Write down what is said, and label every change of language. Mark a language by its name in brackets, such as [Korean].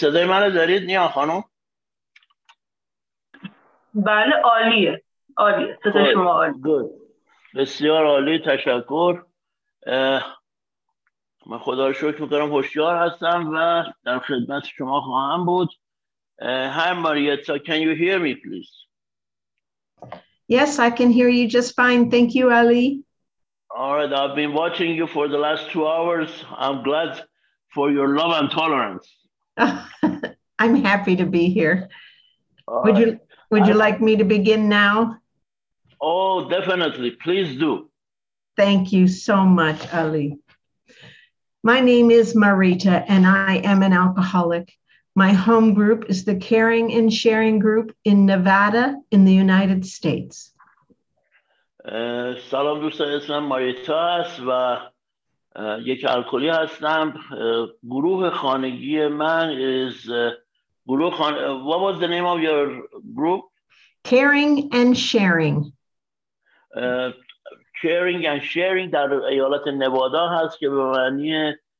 [Persian] صدای منو دارید نیا خانم؟ بله عالیه، صدای شما عالیه. بسیار عالی، تشکر. من خدا رو شکر میکنم هوشیار هستم و در خدمت شما خواهم بود. [English] هم ماریتا، can you hear me please? Yes, I can hear you just fine. Thank you, Ali. All right, I've been watching you for the last 2 hours. I'm glad for your love and tolerance. I'm happy to be here. Would you like me to begin now? Oh, definitely. Please do. Thank you so much, Ali. My name is Marita, and I am an alcoholic. My home group is the Caring and Sharing group in Nevada in the United States. [Persian] سلام دوستان، اسمم ماریتا است و یک الکلی هستم. گروه خانگی من is گروه خان... [English] What was the name of your group? Caring and Sharing. [Persian] Caring and Sharing در ایالت نوادا هست که به معنی